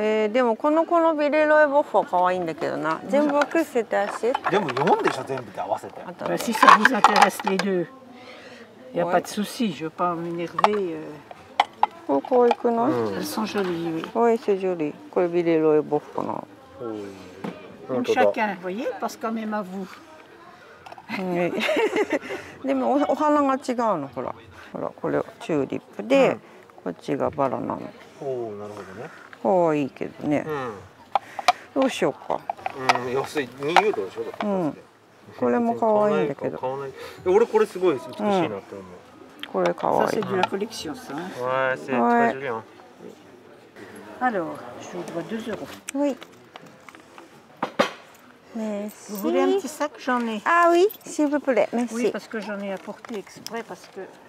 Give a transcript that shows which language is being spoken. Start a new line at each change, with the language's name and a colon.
Japanese: でもこのこのビレロイボッフォかわいいんだけどな。全部くせてあし。でも4でしょ、全部で合わせて。
French: Si ça vous intéresse les deux. Il y a pas de souci, je veux pas m'énerver.
Japanese: こうこういくの？
French: Elles sont jolies. Oui, c'est joli. これビレロイボッフォの。 Une chacun, vous voyez? Parce qu'on aime à vous.
Japanese: でも お花が違うの、ほら、ほら、これチューリップで、うん、こっちがバラなの。おお、なるほどね。かわいいけどね。うん、どうしようか。うん、安い2ユーロでしょ。うん。これもかわいいんだけど。買わない。俺これすごい美しいなって思う。うん、これかわいい。
French: Ça c'est de la collection ça. Ouais, c'est très joli. Alors, je dois 2 euros. Oui. Vous voulez un petit sac? J'en ai. Ah oui, s'il vous plaît, merci. Oui, parce que j'en ai apporté exprès parce que.